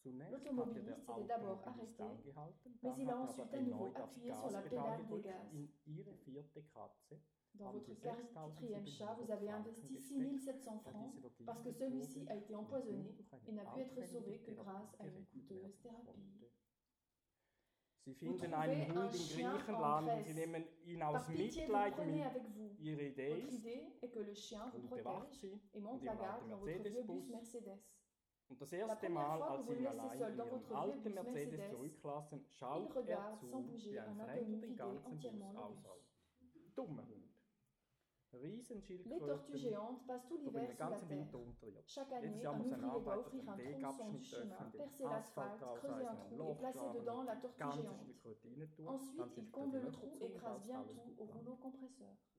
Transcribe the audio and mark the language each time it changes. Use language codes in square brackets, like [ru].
[fr] L'automobiliste s'était d'abord arrêté, mais il a ensuite à nouveau appuyé sur la pédale de gaz. Dans votre quatrième chat, vous avez investi 6 700 francs parce que celui-ci a été empoisonné et n'a pu être sauvé que grâce à une coûteuse thérapie. [de] Sie finden einen Hund un in Griechenland und sie nehmen ihn aus Mitleid mit ihrer Idee. [fr] Votre idée est que le chien vous protège et monte la garde dans votre vieux bus Mercedes. [de] Und das erste Mal, als sie ihn allein in ihren alten Mercedes zurücklassen, schaut er zu, wie ein Fremder den ganzen Bus ausräumt. Dummer Hund. Riesenschildkröten. [fr] Les tortues géantes passent tout l'hiver sur la Terre. [de] Unter ihr. [fr] Chaque année, un ouvrier doit offrir un tronçon du chemin, percer l'asphalte, creuser un trou et placer dedans la tortue géante. Ensuite, il comble le trou et écrase bien tout au rouleau compresseur.